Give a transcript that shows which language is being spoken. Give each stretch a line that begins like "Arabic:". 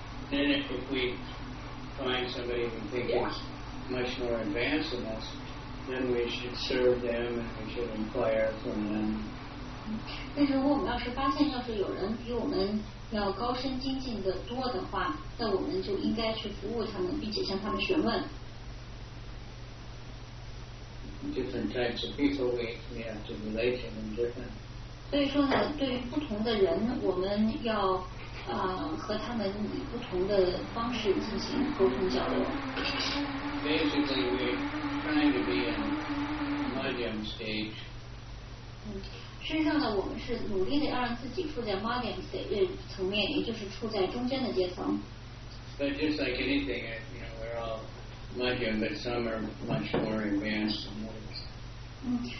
English: Then if we find somebody who thinks is much more advanced than us, then we should serve them and we should inquire from them.
Chinese: 但是如果我们要是发现要是有人比我们要高深精进的多的话，那我们就应该去服务他们，并且向他们询问。
English: Different types of people, we may have to relate to them different.
Chinese: 所以说呢，对于不同的人，我们要和他们以不同的方式进行沟通交流。
English: Basically, we're trying to be in medium stage.
Chinese: 事实上呢，我们是努力的让自己处在
English: medium stage
Chinese: 层面，也就是处在中间的阶层。
English: But just like anything, you know, we're all. Medium, but some are much more advanced than others.